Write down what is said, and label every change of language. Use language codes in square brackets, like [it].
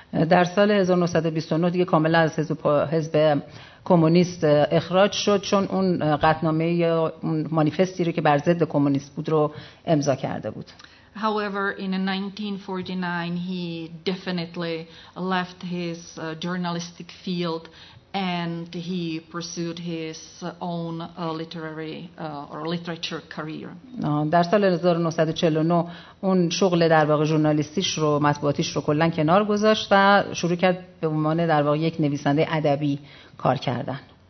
[fa] در سال 1929 دیگه کاملا از حزب کمونیست اخراج شد چون اون قطعنامه یا اون مانیفستی رو که بر ضد کمونیست بود رو امضا کرده بود. [en] However, in 1949, he definitely left his journalistic field and he pursued his own literary or literature career. [fa] در سال 1949 اون شغل در واقع ژورنالیستیش رو مطبوعاتیش رو کلا کنار گذاشت و شروع کرد به عنوان در واقع یک نویسنده ادبی کار کردن.